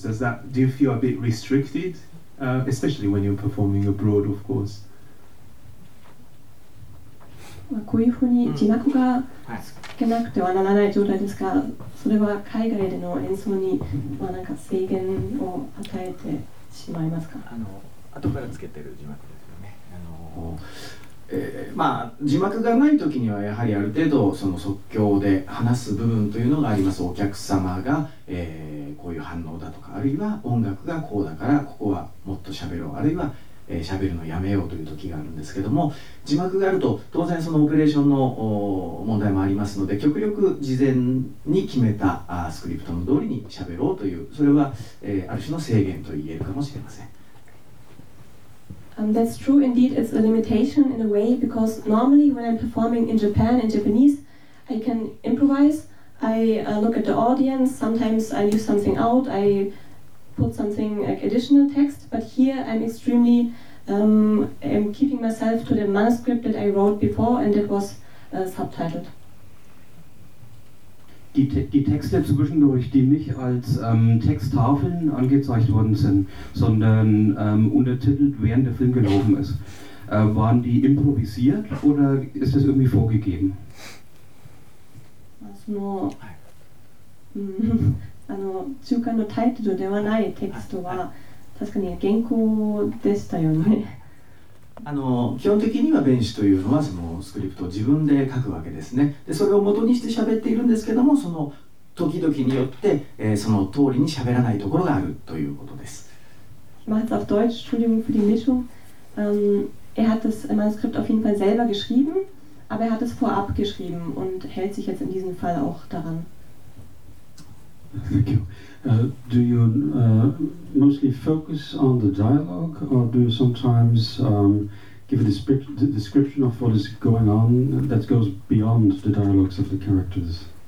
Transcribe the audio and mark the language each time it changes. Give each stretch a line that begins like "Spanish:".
English: Does that, do you feel a bit restricted, especially when you're performing abroad, of course?
Japanese: こういうふうに字幕がつけなくてはならない状態ですが、それは海外での演奏にまあなんか制限を与えてしまいますか？あの後からつけてる字幕ですよね。まあ、字幕がない時にはやはりある程度その即興で話す部分というのがあります。お客様が、こういう反応だとか、あるいは音楽がこうだからここはもっと喋ろう、あるいは喋るのやめようという時があるんですけども、字幕があると当然そのオペレーションの問題もありますので、極力事前に決めたスクリプトの通りに喋ろうという、それはある種の制限と言えるかもしれません。
English: That's true indeed, it's a limitation in a way, because normally when I'm performing in Japan in Japanese I can improvise, I look at the audience, sometimes I leave something out, I put something like additional text, but here I'm extremely I'm keeping myself to the manuscript that I wrote before and it was subtitled.
German: Die Texte zwischendurch, die nicht als Texttafeln angezeigt worden sind, sondern untertitelt während der Film gelaufen ist, waren die improvisiert oder ist das irgendwie vorgegeben?
Japanese: Also, あの中間のタイトルではないテキストは確かに原稿でしたよね。あの基本的には弁士というのはそのスクリプトを自分で書くわけですね。でそれを元にして喋っているんですけども、その時々によって、その通りに喋らないところがあるということです。
German: まず auf Deutsch, Entschuldigung für die Mischung. Er hat das Manuskript auf jeden Fall selber geschrieben, aber er hat es vorab geschrieben und hält sich jetzt in diesem Fall auch daran.
English: Thank you. Do you mostly focus on the dialogue, or do you sometimes give a description of what is going on that goes beyond the dialogues of the characters?